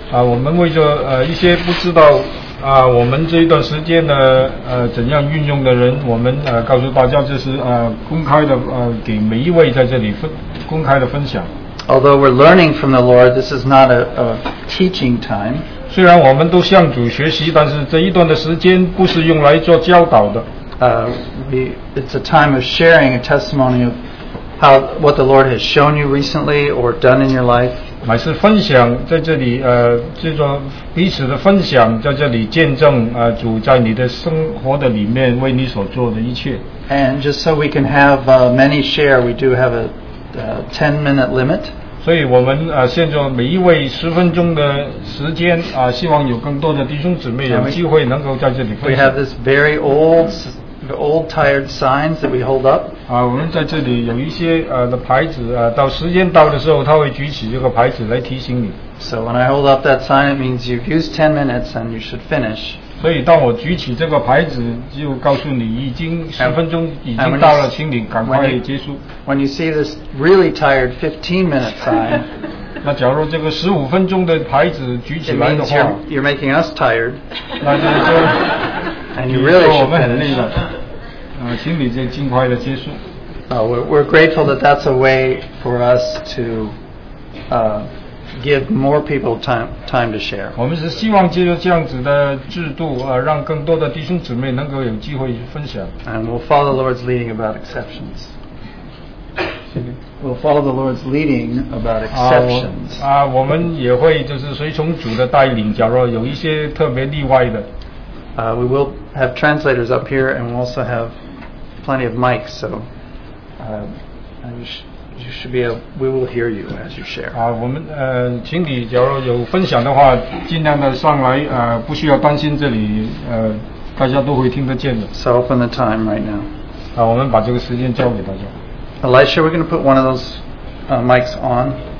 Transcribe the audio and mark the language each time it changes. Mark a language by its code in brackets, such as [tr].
[zh] 我们为着一些不知道我们这一段时间呢怎样运用的人，我们告诉大家这是公开的给每一位在这里公开的分享。 [en] Although we're learning from the Lord, this is not a teaching time. [zh] 虽然我们都向主学习，但是这一段的时间不是用来做教导的。 [en] It's a time of sharing a testimony of what the Lord has shown you recently or done in your life. [zh] 乃是分享在这里这种彼此的分享在这里见证主在你的生活的里面为你所做的一切。 [en] And just so we can have many share, we do have a 10 minute limit. [zh] 所以我们现在每一位十分钟的时间希望有更多的弟兄姊妹有机会能够在这里分享。 [en] We have this very old tired signs that we hold up. [zh] 我们在这里有一些的牌子到时间到的时候他会举起这个牌子来提醒你。 [en] So when I hold up that sign, it means you've used 10 minutes and you should finish. [zh] 所以当我举起这个牌子就告诉你已经十分钟已经到了，请你赶快结束。 [en] When you see this really tired 15 minute sign, [zh] 那假如这个十五分钟的牌子举起来的话， [en] you're making us tired. [zh] 那就是说 [en] And you really should finish. We're grateful that that's a way for us to give more people time to share. [zh] 我们是希望借着这样子的制度让更多的弟兄姊妹能够有机会分享。 [en] And we'll follow the Lord's leading about exceptions. We'll follow the Lord's leading about exceptions. [zh] 我们也会就是随从主的带领，假如有一些特别例外的。 [en] We will have translators up here, and we also have plenty of mics, so you should be able, we will hear you as you share. [zh] 我们请你假如有分享的话，尽量的上来，不需要担心这里，大家都会听得见的。 [en] So open the time right now. [zh] 我们把这个时间交给大家。 [en] Elisha, we're going to put one of those mics on.